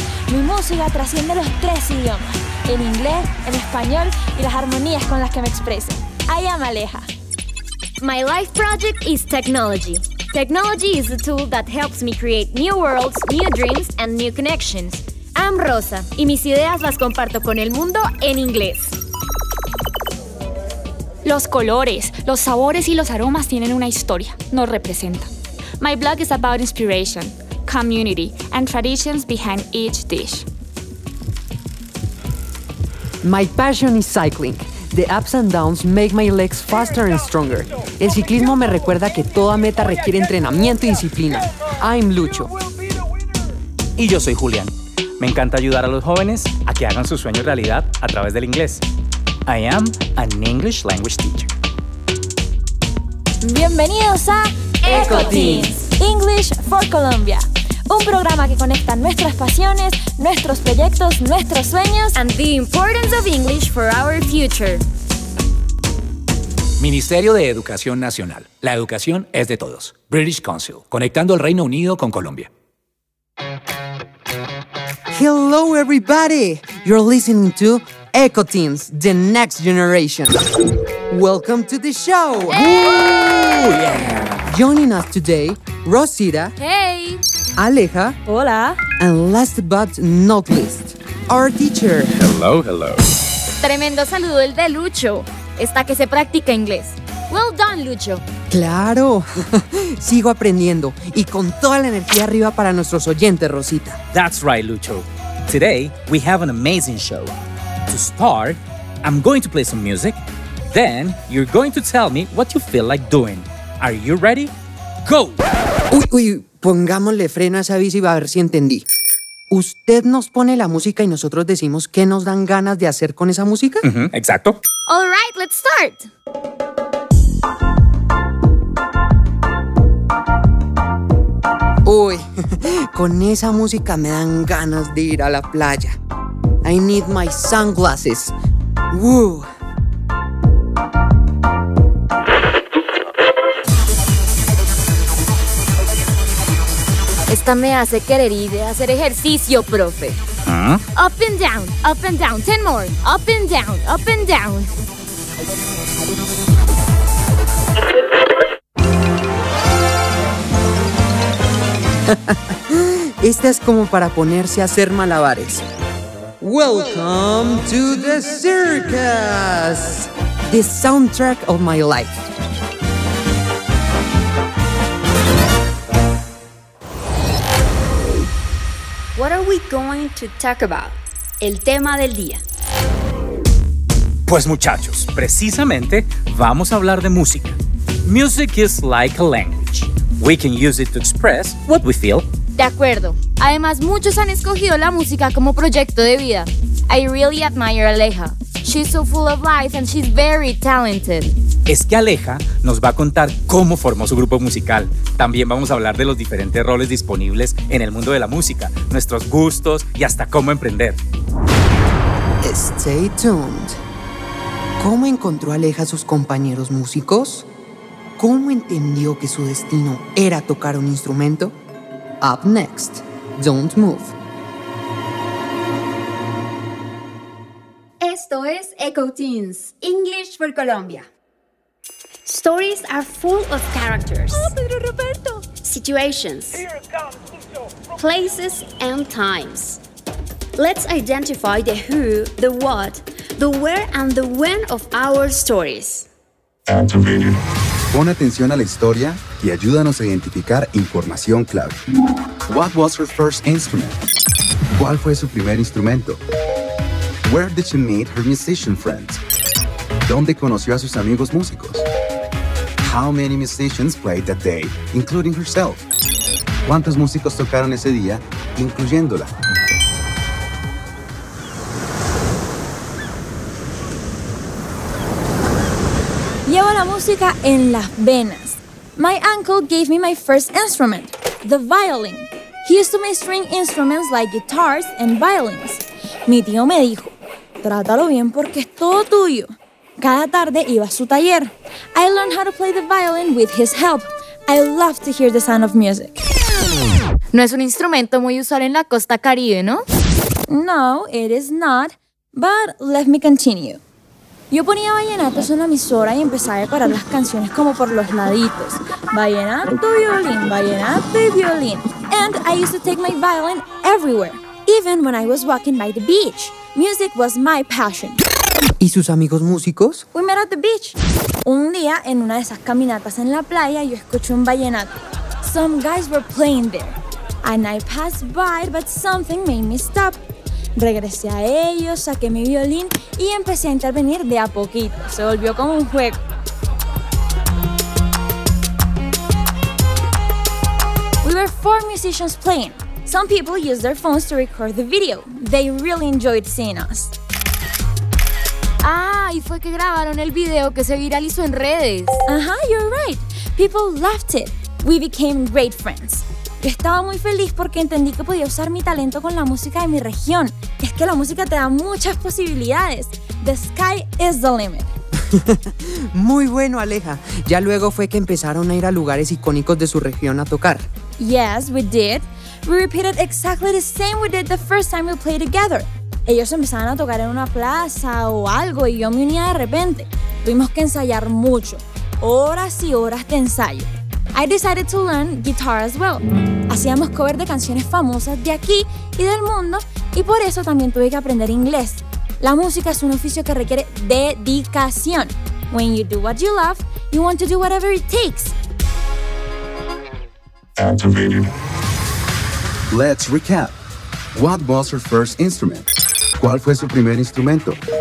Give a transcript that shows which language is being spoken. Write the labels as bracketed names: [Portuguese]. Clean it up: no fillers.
[Spanish] Mi música trasciende los tres idiomas, el inglés, el español y las armonías con las que me expreso. [English] I am Aleja. My life project is technology. Technology is a tool that helps me create new worlds, new dreams, and new connections. I'm Rosa, [Spanish] y mis ideas las comparto con el mundo en inglés. Los colores, los sabores y los aromas tienen una historia, nos representan. [English] My blog is about inspiration, community, and traditions behind each dish. My passion is cycling. The ups and downs make my legs faster and stronger. [Spanish] El ciclismo me recuerda que toda meta requiere entrenamiento y disciplina. [English] I'm Lucho. [Spanish] Y yo soy Julián. Me encanta ayudar a los jóvenes a que hagan sus sueños realidad a través del inglés. [English] I am an English language teacher. [Spanish] Bienvenidos a [English] EcoTeens, English for Colombia. [Spanish] Un programa que conecta nuestras pasiones, nuestros proyectos, nuestros sueños [English] and the importance of English for our future. [Spanish] Ministerio de Educación Nacional. La educación es de todos. British Council. Conectando el Reino Unido con Colombia. [English] Hello everybody. You're listening to EcoTeens, the next generation. Welcome to the show. Hey. Ooh, yeah. Joining us today, Rosita. Hey. Aleja. [Spanish] Hola. [English] And last but not least, our teacher. Hello, hello. [Spanish] Tremendo saludo el de Lucho, esta que se practica inglés. [English] Well done, Lucho. [Spanish] Claro. Sigo aprendiendo y con toda la energía arriba para nuestros oyentes, Rosita. [English] That's right, Lucho. Today, we have an amazing show. To start, I'm going to play some music. Then, you're going to tell me what you feel like doing. Are you ready? Go! [Spanish] Uy, uy, pongámosle freno a esa bici y va a ver si entendí. ¿Usted nos pone la música y nosotros decimos qué nos dan ganas de hacer con esa música? Uh-huh, exacto. [English] All right, let's start! [Spanish] Uy, con esa música me dan ganas de ir a la playa. [English] I need my sunglasses. Woo. [Spanish] Esta me hace querer ir a hacer ejercicio, profe. ¿Ah? [English] Up and down, up and down, 10 more. Up and down, up and down. [Spanish] Esta es como para ponerse a hacer malabares. [English] Welcome to the circus, the soundtrack of my life. What are we going to talk about? [Spanish] El tema del día. Pues muchachos, precisamente vamos a hablar de música. [English] Music is like a language. We can use it to express what we feel. [Spanish] De acuerdo. Además, muchos han escogido la música como proyecto de vida. [English] I really admire Aleja. She's so full of life and she's very talented. [Spanish] Es que Aleja nos va a contar cómo formó su grupo musical. También vamos a hablar de los diferentes roles disponibles en el mundo de la música, nuestros gustos y hasta cómo emprender. [English] Stay tuned. [Spanish] ¿Cómo encontró Aleja a sus compañeros músicos? ¿Cómo entendió que su destino era tocar un instrumento? [English] Up next, don't move. [Spanish] Esto es EcoTeens, English for Colombia. [English] Stories are full of characters. Oh, Pedro Roberto! Situations. Here it comes. Places and times. Let's identify the who, the what, the where and the when of our stories. [Spanish] Pon atención a la historia y ayúdanos a identificar información clave. [English] What was her first instrument? [Spanish] ¿Cuál fue su primer instrumento? [English] Where did she meet her musician friends? [Spanish] ¿Dónde conoció a sus amigos músicos? [English] How many musicians played that day, including herself? [Spanish] ¿Cuántos músicos tocaron ese día, incluyéndola? Llevo la música en las venas. [English] My uncle gave me my first instrument, the violin. He used to make string instruments like guitars and violins. [Spanish] Mi tío me dijo, trátalo bien porque es todo tuyo. Cada tarde iba a su taller. [English] I learned how to play the violin with his help. I love to hear the sound of music. [Spanish] No es un instrumento muy usual en la costa caribe, ¿no? [English] No, it is not. But let me continue. [Spanish] Yo ponía vallenatos en la emisora y empezaba a decorar las canciones como por los laditos. Vallenato, violín, vallenato y violín. [English] And I used to take my violin everywhere, even when I was walking by the beach. Music was my passion. [Spanish] ¿Y sus amigos músicos? [English] We met at the beach. [Spanish] Un día, en una de esas caminatas en la playa, yo escuché un vallenato. [English] Some guys were playing there. And I passed by, but something made me stop. [Spanish] Regresé a ellos, saqué mi violín y empecé a intervenir de a poquito. Se volvió como un juego. [English] We were four musicians playing. Some people used their phones to record the video. They really enjoyed seeing us. [Spanish] Ah, y fue que grabaron el video que se viralizó en redes. [English] Ajá, you're right. People loved it. We became great friends. [Spanish] Yo estaba muy feliz porque entendí que podía usar mi talento con la música de mi región. Es que la música te da muchas posibilidades. [English] The sky is the limit. [Spanish] Muy bueno, Aleja. Ya luego fue que empezaron a ir a lugares icónicos de su región a tocar. [English] Yes, we did. We repeated exactly the same we did the first time we played together. [Spanish] Ellos empezaban a tocar en una plaza o algo y yo me unía de repente. Tuvimos que ensayar mucho, horas y horas de ensayo. [English] I decided to learn guitar as well. [Spanish] Hacíamos cover de canciones famosas de aquí y del mundo y por eso también tuve que aprender inglés. La música es un oficio que requiere dedicación. [English] When you do what you love, you want to do whatever it takes. Let's recap. What was her first instrument? [Spanish] ¿Cuál fue su primer instrumento?